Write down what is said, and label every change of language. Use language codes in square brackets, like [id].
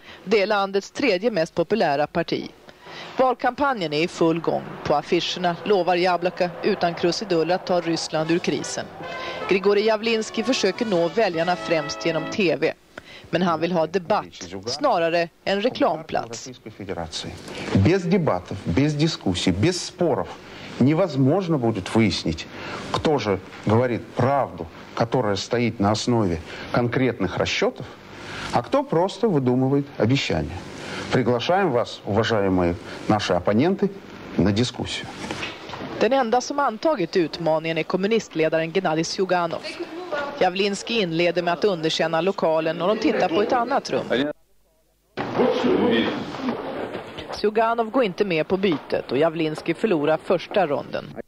[sv] Det är landets tredje mest populära parti. Valkampanjen är i full gång. På affischerna lovar Jablaka utan krusiduller att ta Ryssland ur krisen. Grigorij Javlinskij försöker nå väljarna främst genom tv. Men han vill ha debatt snarare än reklamplats. [ru] Без дебатов, без дискуссий, без споров невозможно будет выяснить, кто же говорит правду, которая стоит на основе конкретных расчетов, а кто просто выдумывает обещания. Приглашаем вас, уважаемые наши оппоненты, на дискуссию. [sv] Den enda som antagit utmaningen är kommunistledaren Gennadij Zjuganov. Javlinskij inleder med att underkänna lokalen och de tittar på ett annat rum. Zjuganov går inte med på bytet och Javlinskij förlorar första ronden.